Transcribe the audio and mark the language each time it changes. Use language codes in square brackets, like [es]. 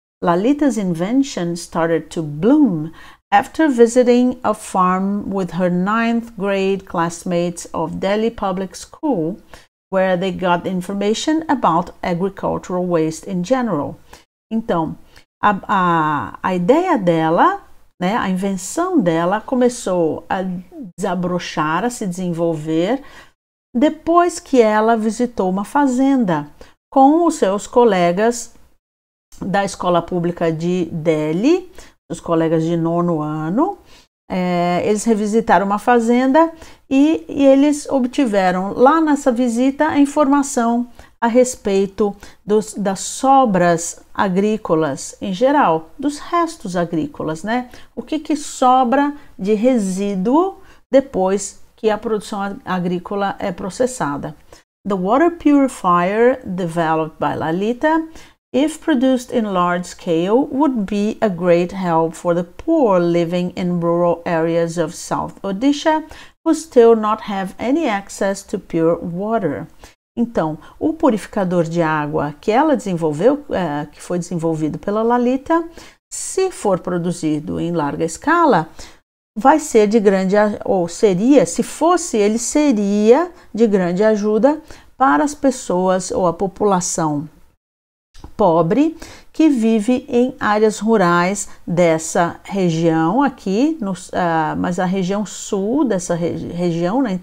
[en] Lalita's invention started to bloom after visiting a farm with her ninth grade classmates of Delhi Public School, where they got information about agricultural waste in general. [pt] Então, a ideia dela, né, a invenção dela começou a desabrochar, a se desenvolver, depois que ela visitou uma fazenda com os seus colegas da escola pública de Delhi, os colegas de nono ano. Eles revisitaram uma fazenda e eles obtiveram lá nessa visita a informação a respeito das sobras agrícolas em geral, dos restos agrícolas, né? O que sobra de resíduo depois que a produção agrícola é processada. [en] The water purifier developed by Lalita, if produced in large scale, would be a great help for the poor living in rural areas of South Odisha, who still not have any access to pure water. [pt] Então, o purificador de água que ela desenvolveu, que foi desenvolvido pela Lalita, se for produzido em larga escala, vai ser de grande, ou seria, se fosse, ele seria de grande ajuda para as pessoas ou a população pobre que vive em áreas rurais dessa região aqui, mas a região sul dessa região, né?